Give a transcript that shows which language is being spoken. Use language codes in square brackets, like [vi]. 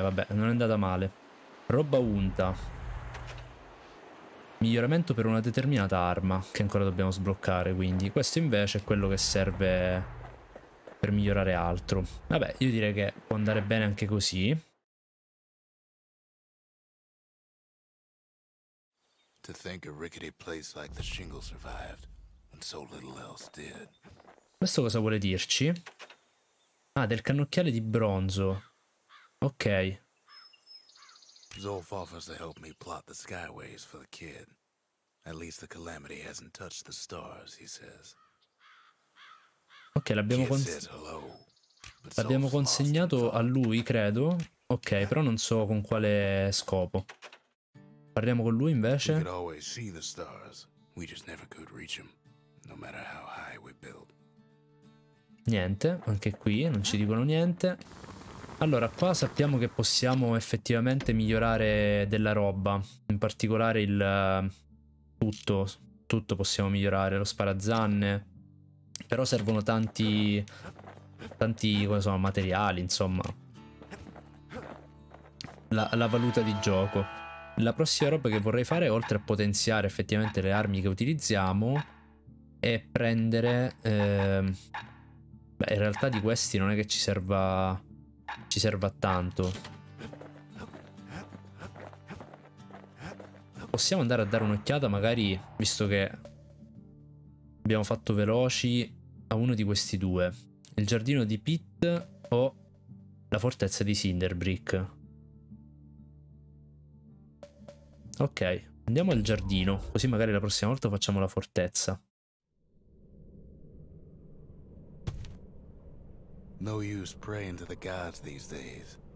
[it] Vabbè, non è andata male. Roba unta. Miglioramento per una determinata arma. Che ancora dobbiamo sbloccare, quindi. Questo invece è quello che serve per migliorare altro. Vabbè, io direi che può andare bene anche così. [en] To think a rickety place like the Shingle survived when so little else did. [it] Questo cosa vuole dirci? Ah, del cannocchiale di bronzo. Ok. [en] Zolf offers to help me plot the skyways for the kid. At least the calamity hasn't touched the stars, he says. [it] Ok, l'abbiamo consegnato a lui, credo. Ok, però non so con quale scopo. Parliamo con lui invece. [en] We could always see the stars. We just never could reach them, no matter how high we built. [it] Niente, anche qui non ci dicono niente. Allora, qua sappiamo che possiamo effettivamente migliorare della roba. In particolare il tutto, tutto possiamo migliorare, lo sparazzanne. Però servono tanti, come sono, materiali, insomma. La valuta di gioco. La prossima roba che vorrei fare, oltre a potenziare effettivamente le armi che utilizziamo, è prendere... beh, in realtà di questi non è che ci serva tanto. Possiamo andare a dare un'occhiata, magari, visto che abbiamo fatto veloci, a uno di questi due. Il giardino di Pitt o la fortezza di Cinderbrick. Ok, andiamo al giardino, così magari la prossima volta facciamo la fortezza. [en] No use praying to the gods these days.